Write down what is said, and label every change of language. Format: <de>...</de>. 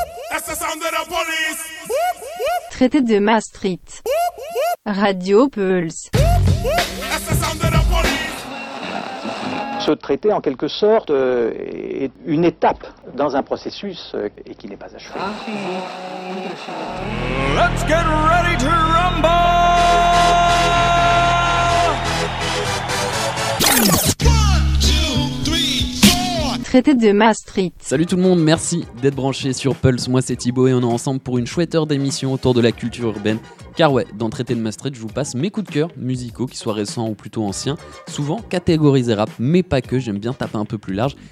<en>That's the sound of the police!</en> <fr>Traité de Maastricht. Radio Pulse.</fr> <en>That's the sound of the police!</en> <fr>Ce traité, en quelque sorte, est une étape dans un processus et qui n'est pas achevé.</fr> <en>Let's get ready to rumble!</en> <fr>Traité de Maastricht. Salut tout le monde, merci d'être branché sur Pulse. Moi c'est Thibaut et on est ensemble pour une chouette heure d'émission autour de la culture urbaine. Car ouais, dans Traité de Maastricht, je vous passe mes coups de cœur musicaux, qu'ils soient récents ou plutôt anciens, souvent catégorisés rap, mais pas que, j'aime bien taper un peu plus large.</fr>